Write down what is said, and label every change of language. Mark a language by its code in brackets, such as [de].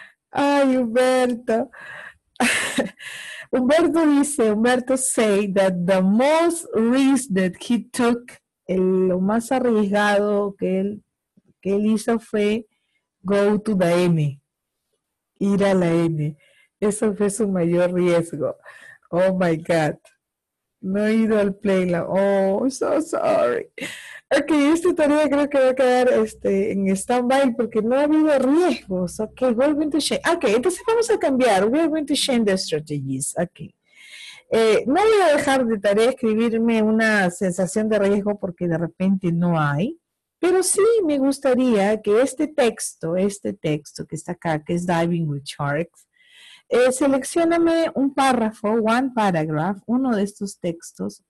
[en] Ay, Humberto. Humberto say that the most risk that he took, [es] lo más arriesgado que él hizo fue [en] go to the N, [es] ir a la N. Eso fue su mayor riesgo. [en] Oh, my God. [es] No he ido al Playland. [en] Oh, so sorry. [es] Ok, esta tarea creo que va a quedar en stand-by porque no ha habido riesgos. [en] Ok, we're going to change. Ok, [es] entonces vamos a cambiar. [en] We're going to change the strategies. Ok. [es] No voy a dejar de tarea escribirme una sensación de riesgo porque de repente no hay. Pero sí me gustaría que este texto que está acá, que es Diving with Sharks, seleccióname un párrafo, [en] one paragraph, [es] uno de estos textos.